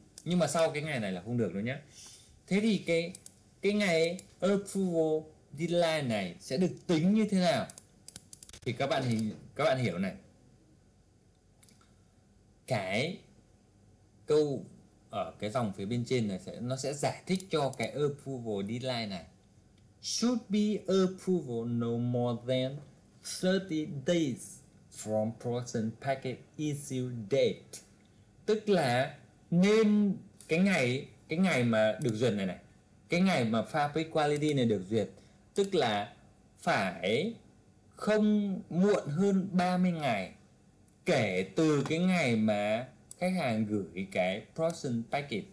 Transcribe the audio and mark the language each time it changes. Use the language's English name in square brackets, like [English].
[Vietnamese] Nhưng mà sau cái ngày này là không được đâu nhé. Thế thì cái ngày approval deadline này sẽ được tính như thế nào? Thì các bạn hiểu này. cái câu ở cái dòng phía bên trên này sẽ nó sẽ giải thích cho cái approval deadline này. [English] Should be approval no more than 30 days from person packet issue date. [Vietnamese] Tức là nên cái ngày mà được duyệt này này, cái ngày mà fabric quality này được duyệt, tức là phải không muộn hơn 30 ngày kể từ cái ngày mà khách hàng gửi cái production packet.